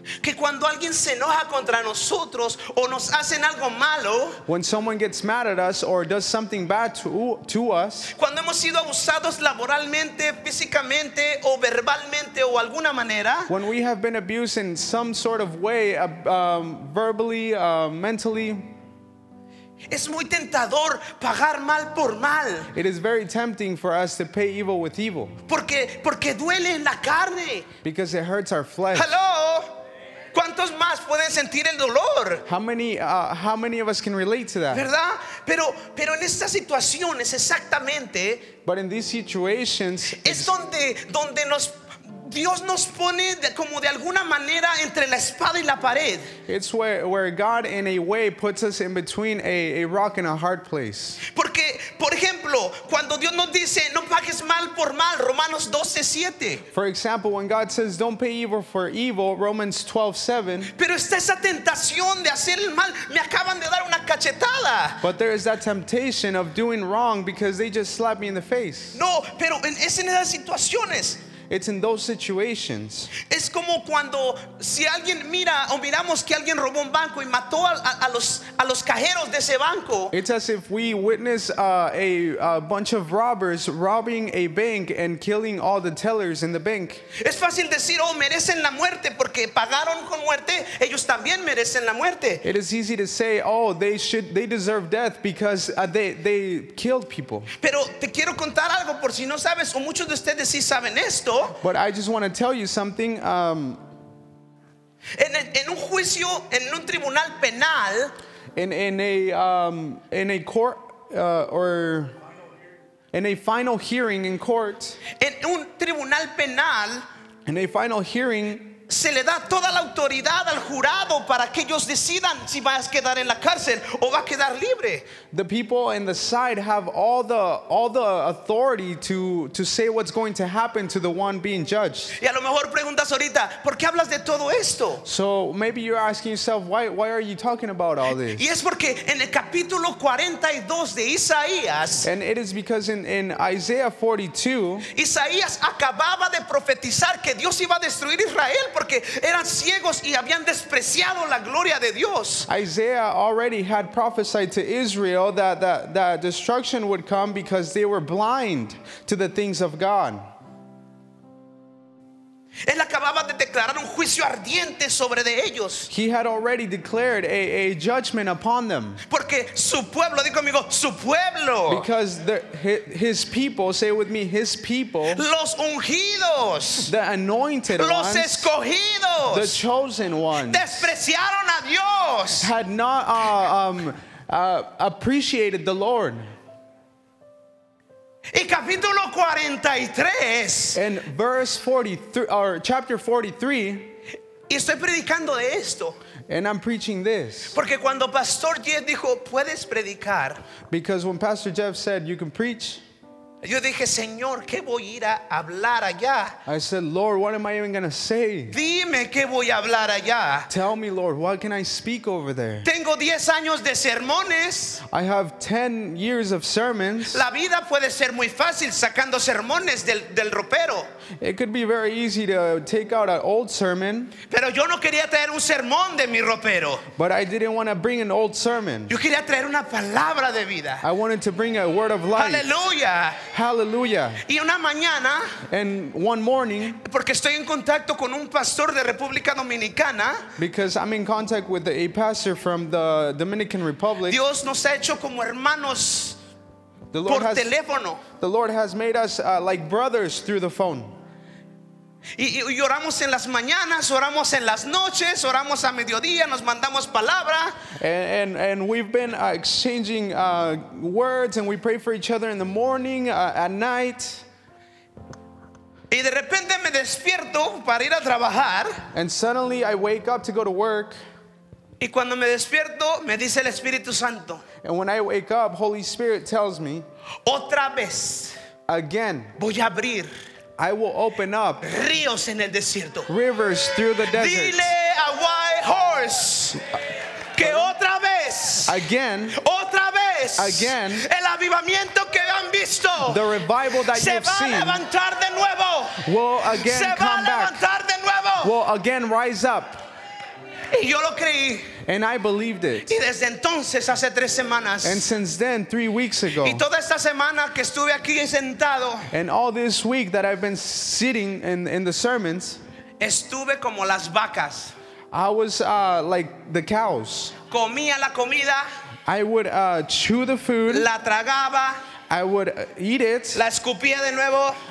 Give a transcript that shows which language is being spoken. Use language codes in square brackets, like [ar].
[es] Que cuando alguien se enoja contra nosotros o nos hacen algo malo, [en] when someone gets mad at us or does something bad to us, [es] cuando hemos sido abusados laboralmente, físicamente o verbalmente o alguna manera, [en] when we have been abused in some sort of way, verbally, mentally, [es] es muy tentador pagar mal por mal. [en] It is very tempting for us to pay evil with evil. [es] Porque duele en la carne. [en] Because it hurts our flesh. Hello. [es] ¿Cuántos más pueden sentir el dolor? [en] How many of us can relate to that? [es] ¿Verdad? Pero en estas situaciones exactamente, [en] but in these situations, [es] es donde nos Dios nos pone de, como de alguna manera entre la espada y la pared. [en] It's where God in a way puts us in between a rock and a hard place. [es] Porque por ejemplo, cuando Dios nos dice no pagues mal por mal, Romanos 12:7. [en] For example, when God says don't pay evil for evil, Romans 12:7. [es] Pero está esa tentación de hacer el mal, me acaban de dar una cachetada. [en] But there is that temptation of doing wrong because they just slapped me in the face. [es] No, pero en esas situaciones. [en] It's in those situations. [es] Es como cuando si alguien mira o miramos que alguien robó un banco y mató a los cajeros de ese banco. [en] It's as if we witness a bunch of robbers robbing a bank and killing all the tellers in the bank. [es] Es fácil decir, oh, merecen la muerte porque pagaron con muerte. Ellos también merecen la muerte. [en] It is easy to say, oh, they deserve death because they killed people. [es] Pero te quiero contar algo por si no sabes o muchos de ustedes sí saben esto. [en] But I just want to tell you something. [es] En un juicio, en un tribunal penal, [en] in a court or in a final hearing in court, [es] en un tribunal penal, [en] in a final hearing, [es] se le da toda la autoridad al jurado para que ellos decidan si vas a quedar en la cárcel o va a quedar libre. [en] The people in the side have all the authority to say what's going to happen to the one being judged. [es] Y a lo mejor preguntas ahorita, ¿por qué hablas de todo esto? [en] So maybe you're asking yourself, why are you talking about all this? [es] Y es porque en el capítulo 42 de Isaías. [en] And it is because in Isaiah 42, [es] Isaías acababa de profetizar que Dios iba a destruir Israel porque eran ciegos y habían despreciado la gloria de Dios. [en] Isaiah already had prophesied to Israel that destruction would come because they were blind to the things of God. [es] Él acababa de declarar un juicio ardiente sobre de ellos. [en] He had already declared a judgment upon them. [es] Porque su pueblo, digo amigo, su pueblo. [en] Because his people, say it with me, his people. [es] Los ungidos. [en] The anointed [es] los [en] ones. [es] Los escogidos. [en] The chosen ones. [es] Despreciaron a Dios. [en] Had not appreciated the Lord. [es] Y capítulo 43. [en] In verse 43 or chapter 43. [es] Y estoy predicando de esto. [en] And I'm preaching this. [es] Porque cuando Pastor Jeff dijo, "Puedes predicar." [en] Because when Pastor Jeff said, "You can preach." [es] Yo dije, "Señor, ¿qué voy a ir a hablar allá?" [en] I said, "Lord, what am I even going to say?" [es] Dime qué voy a hablar allá. [en] Tell me, Lord, what can I speak over there? [es] Tengo 10 años de sermones. [en] I have 10 years of sermons. [es] La vida puede ser muy fácil sacando sermones del ropero. [en] It could be very easy to take out an old sermon. [es] Pero yo no quería traer un sermón de mi ropero. [en] But I didn't want to bring an old sermon. [es] Yo quería traer una palabra de vida. [en] I wanted to bring a word of life. Hallelujah. Hallelujah. [es] Y una mañana, [en] and one morning, [es] porque estoy en contacto con un pastor de República Dominicana, [en] because I'm in contact with a pastor from the Dominican Republic. [es] Dios nos ha hecho como hermanos. [en] The Lord, [es] por teléfono. [en] The Lord has made us like brothers through the phone. [es] Y oramos en las mañanas, oramos en las noches, oramos a mediodía, nos mandamos palabra. [en] And we've been exchanging words, and we pray for each other in the morning, at night. [es] Y de repente me despierto para ir a trabajar. [en] And suddenly I wake up to go to work. [es] Y cuando me despierto, me dice el Espíritu Santo. [en] And when I wake up, Holy Spirit tells me, [es] otra vez, [en] again, [es] voy a abrir, [en] I will open up [es] ríos en el desierto, [en] rivers through the desert. [es] Dile a white horse que otra vez, [en] again, [es] otra vez, [en] again, [es] el avivamiento que han visto, [en] the revival that [es] se [en] you've [es] va [en] seen, [es] a levantar de nuevo, [en] will again [es] se [en] come [es] va a levantar [en] back, [es] de nuevo, [en] will again rise up. [es] Y yo lo creí. [en] And I believed it. [es] Y desde entonces, hace tres semanas, [en] and since then, 3 weeks ago. [es] Y toda esta semana que estuve aquí sentado, [en] and all this week that I've been sitting in the sermons. [es] Estuve como las vacas. [en] I was like the cows. [es] Comía la comida. [en] I would chew the food. [es] La tragaba. [en] I would eat it. [es] La escupía de nuevo.